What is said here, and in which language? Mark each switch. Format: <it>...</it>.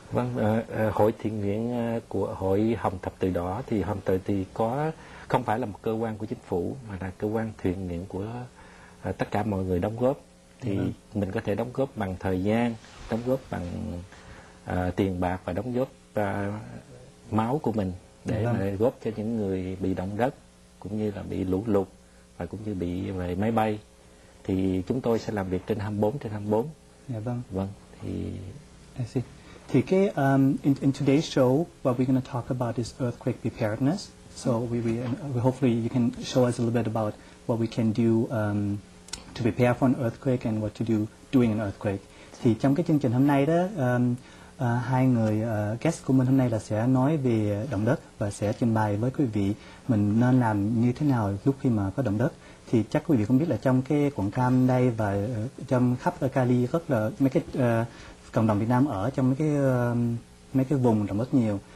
<vi>Vâng, hội thiện nguyện của hội Hồng Thập Tự Đỏ thì Hồng Thập Tự thì có không phải là một cơ quan của chính phủ mà là cơ quan thiện nguyện của tất cả mọi người đóng góp thì mình có thể đóng góp bằng thời gian, đóng góp bằng tiền bạc và đóng góp máu của mình để góp cho những người bị động đất cũng như là bị lũ lụt và cũng như bị về máy bay thì chúng tôi sẽ làm việc trên 24/24. Dạ vâng. Vâng. Thì</vi> <en>I see.</en> <vi>Thì cái</vi> <en>in today's show what we're going to talk about is earthquake preparedness. So we hopefully you can show us a little bit about what we can do to prepare for an earthquake and what to do during an earthquake.</en> <vi>Thì trong cái chương trình hôm nay đó hai người guest của mình hôm nay là sẽ nói về động đất và sẽ trình bày với quý vị mình nên làm như thế nào lúc khi mà có động đất. Thì chắc quý vị cũng biết là trong cái Quận Cam đây và trong khắp Cali rất là mấy cái cộng đồng Việt Nam ở trong mấy cái vùng động đất nhiều.</vi>